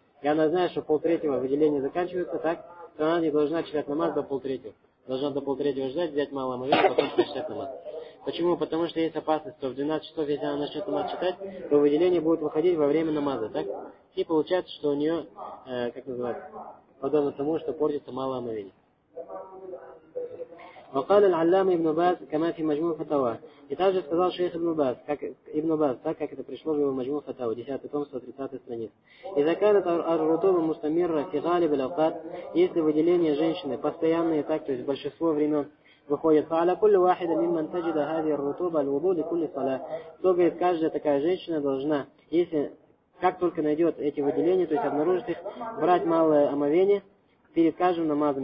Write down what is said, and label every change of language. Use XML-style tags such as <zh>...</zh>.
<ru>И она знает, что полтретьего выделение заканчивается, так? То она не должна читать намаз до полтретьего. Должна до полтретьего ждать, взять малое омовение, потом читать намаз. Почему? Потому что есть опасность, что в 12 часов, если она начнет намаз читать, то выделение будет выходить во время намаза, так? И получается, что у нее, как называется... подобно тому, что портится мало омовение.</ru> <ar>وقال العلامة ابن باز كما في مجموع فتاوى.</ar> <ru>И также сказал шейх ибн Баз, так как это пришло в его مجموع فتاوى, 10 том, 130 страниц.</ru> <ar>إذا كانت الرطوبة مستمرة في غالب الأوقات,</ar> <ru>если выделение женщины постоянные, так, то есть большинство времен выходит,</ru> <ar>فعلى كل واحد ممن تجد هذه الرطوبة الوضوء لكل صلاة,</ar> <ru>то, говорит, каждая такая женщина должна, если как только найдет эти выделения, то есть обнаружит их, брать малое омовение перед каждым намазом.</ru>